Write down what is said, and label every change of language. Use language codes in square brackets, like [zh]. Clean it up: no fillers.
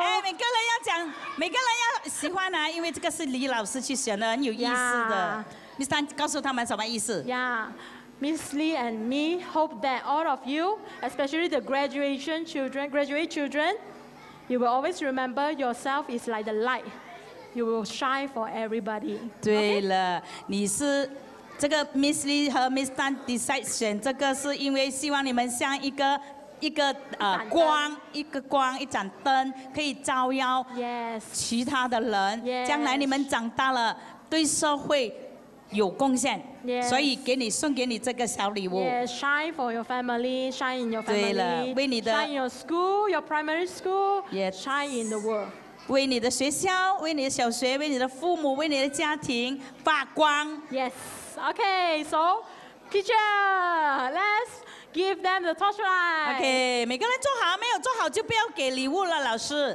[zh] Hey, 每个人要喜欢啊，因为这个是李老师去选的，很有意思的。 Miss Tan 告诉他们什么意思？ [en] Yeah, Miss Lee and me hope that all of you, especially the graduation children, graduate children, you will always remember yourself is like the light. You will shine for everybody. [zh] 对了，你是这个 Miss Lee 和 Miss Tan decide 选这个，是因为希望你们像一个光，一盏灯，可以照耀其他的人。将来你们长大了，对社会有贡献，所以给你送给你这个小礼物。Yes, [en] shine for your family, shine in your family. [zh] 对了，为你的 [en] shine your school, your primary school. Yes, shine in the world. [zh] 为你的学校，为你的小学，为你的父母，为你的家庭发光。 [en] Yes. Okay. So, teacher, let's give them the torchlight. Okay. [zh] 每个人做好，没有做好就不要给礼物了，老师。